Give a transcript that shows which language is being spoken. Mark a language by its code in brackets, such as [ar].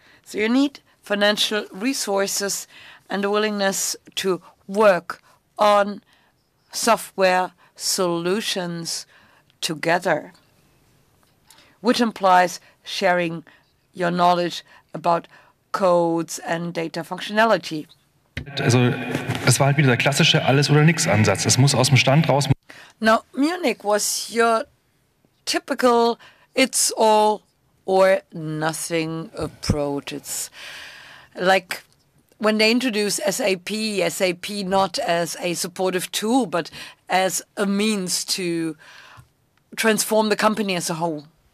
[en] So you need financial resources and a willingness to work on software solutions together, which implies sharing your knowledge about codes and data functionality. [de] Also, das war halt wieder der klassische Alles-oder-nix-Ansatz. Es muss aus dem Stand raus. [en] Now, Munich was your typical it's all or nothing approach. It's like when they introduce SAP, SAP not as a supportive tool, but as a means to transform the company as a whole.